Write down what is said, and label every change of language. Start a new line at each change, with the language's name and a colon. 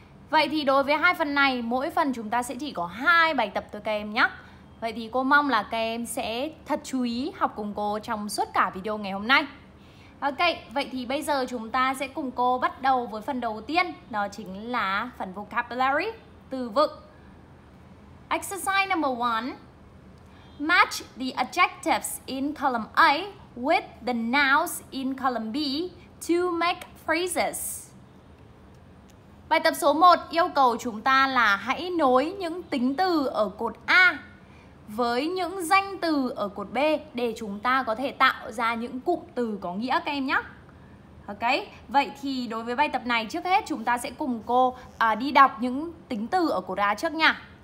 Vietnamese: Vậy thì đối với hai phần này, mỗi phần chúng ta sẽ chỉ có hai bài tập thôi các em nhé. Vậy thì cô mong là các em sẽ thật chú ý học cùng cô trong suốt cả video ngày hôm nay. Ok, vậy thì bây giờ chúng ta sẽ cùng cô bắt đầu với phần đầu tiên, đó chính là phần Vocabulary, từ vựng.
English: Exercise number 1. Match the adjectives in column A with the nouns in column B to make phrases.
Vietnamese: Bài tập số 1 yêu cầu chúng ta là hãy nối những tính từ ở cột A với những danh từ ở cột B để chúng ta có thể tạo ra những cụm từ có nghĩa các em nhé. Ok, vậy thì đối với bài tập này trước hết chúng ta sẽ cùng cô đi đọc những tính từ ở cột A trước nha.